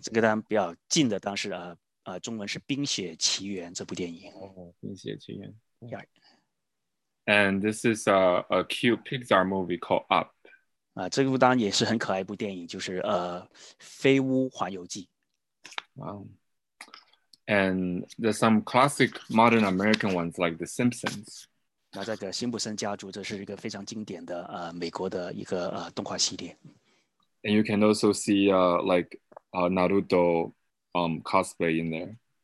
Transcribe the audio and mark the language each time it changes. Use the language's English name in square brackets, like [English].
[Chinese] 这个当然比较近的，当时中文是《冰雪奇缘》这部电影。冰雪奇缘。 Yeah. [English] And this is a cute Pixar movie called Up. [Chinese] 这部当然也是很可爱一部电影，就是《飞屋环游记》。 Wow. [English] And there's some classic modern American ones like The Simpsons. [Chinese] 那这个辛普森家族，这是一个非常经典的美国的一个动画系列。 [English] And you can also see Naruto cosplay in there.